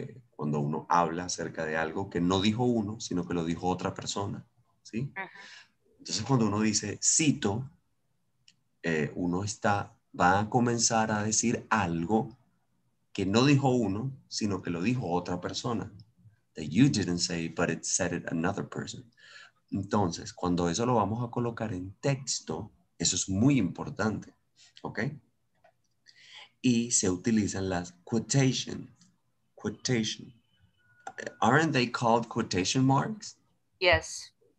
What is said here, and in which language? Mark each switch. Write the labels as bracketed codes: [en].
[es] Cuando uno habla acerca de algo que no dijo uno, sino que lo dijo otra persona, ¿sí? Entonces, cuando uno dice cito, uno está, va a comenzar a decir algo que no dijo uno, sino que lo dijo otra persona. [en] That you didn't say, but it said it another person. [es] Entonces, cuando eso lo vamos a colocar en texto, eso es muy importante, ¿ok? Y se utilizan las quotations. Quotation. [en] Aren't they called quotation marks? Yes.